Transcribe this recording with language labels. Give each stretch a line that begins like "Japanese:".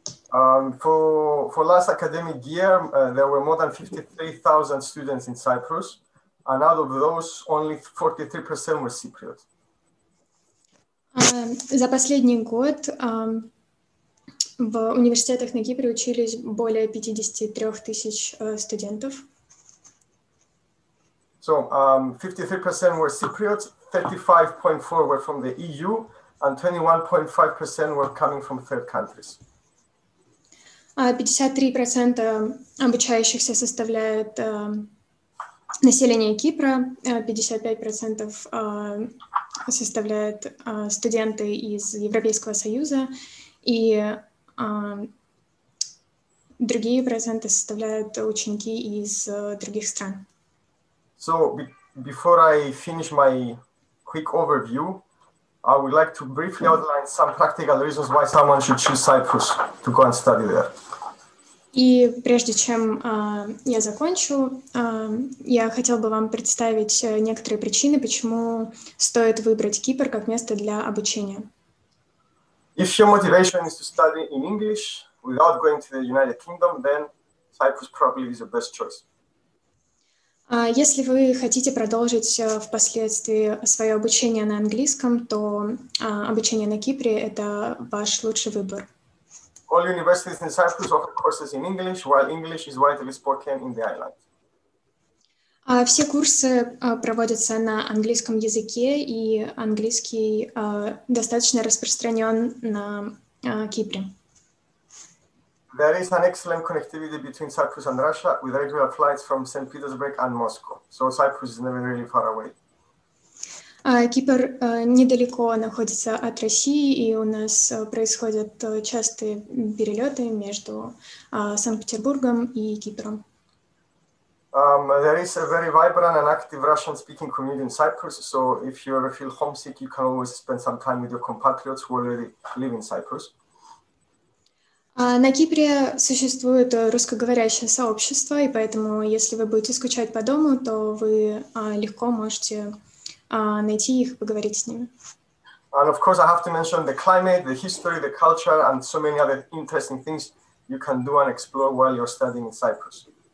English: For last academic year, there were more than 53,000 students in Cyprus, and out of those, only 43% were Cypriots.
Russian: За последний год в университетах на Кипре учились более 53 тысяч студентов.
English: So 53% were Cypriots, 35.4% were from the EU, and 21.5% were coming from third countries.
Russian: 53% обучающихся составляют население Кипра, 55% составляют студенты из Европейского Союза, и другие проценты составляют ученики из других стран.
English: So, before I finish my quick overview, I would like to briefly outline some practical reasons why someone should choose Cyprus to go and study there.
Russian: И прежде чем я закончу, я хотел бы вам представить некоторые причины, почему стоит выбрать Кипр как место для обучения.
English: If your motivation is to study in English without going to the United Kingdom, then Cyprus probably is your best choice.
Russian: Если вы хотите продолжить впоследствии свое обучение на английском, то обучение на Кипре — это ваш лучший выбор.
English: All universities in Cyprus offer courses in English, while English is widely spoken in the island.
Russian: Все курсы проводятся на английском языке, и английский достаточно распространен на Кипре.
English: There is an excellent connectivity between Cyprus and Russia with regular flights from St. Petersburg and Moscow. So Cyprus is never really far away.
Russian: Кипр недалеко находится от России, и у нас происходят частые перелеты между Санкт-Петербургом и Кипром.
English: There is a very vibrant and active Russian-speaking community in Cyprus, so if you ever feel homesick, you can always spend some time with your compatriots who already live in Cyprus.
Russian: На Кипре существует русскоговорящее сообщество, и поэтому, если вы будете скучать по дому, то вы легко можете найти их и поговорить с ними.
English: And of course, I have to mention the climate, the history, the culture, and so many other interesting things you can do and explore while you're studying in Cyprus.